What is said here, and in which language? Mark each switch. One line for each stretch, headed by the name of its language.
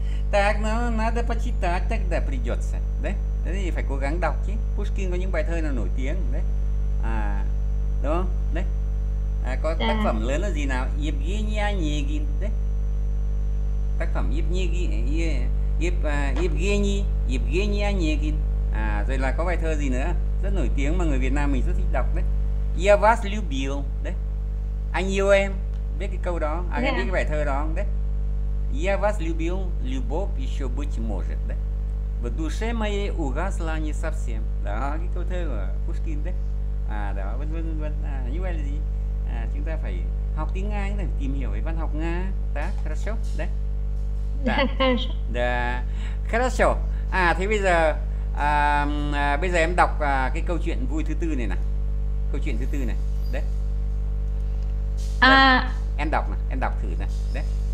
Russian: Так, ну надо почитать тогда придется, да?
Vietnamese: Thì phải cố gắng đọc chứ. Pushkin có những bài thơ nào nổi tiếng đấy à, đúng không? Đấy à, có tác Dạ. phẩm lớn là gì nào? Yevgenia Onegin đấy, tác phẩm Yevgenia Onegin à. Rồi là có bài thơ gì nữa rất nổi tiếng mà người Việt Nam mình rất thích đọc đấy,
Russian: Ya vas liu biu
Vietnamese: đấy, anh yêu em, biết cái câu đó à, biết cái Dạ. bài thơ đó không đấy?
Russian: Ya vas liu biu lyubov isho buch mozhet đấy, в душе моей угасла не совсем.
Vietnamese: Да, cái câu thơ của Pushkin đấy. À, đó, vân vân vân vân. À, như vậy là gì? À, chúng ta phải học tiếng Nga để tìm hiểu về văn học Nga. Tá, хорошо, đấy.
Russian: Tá, да, хорошо.
Vietnamese: À, thế bây giờ, bây giờ em đọc cái câu chuyện vui thứ tư này nè. Câu chuyện thứ tư này, đấy. Đây, em đọc nè, em đọc thử nè, đấy.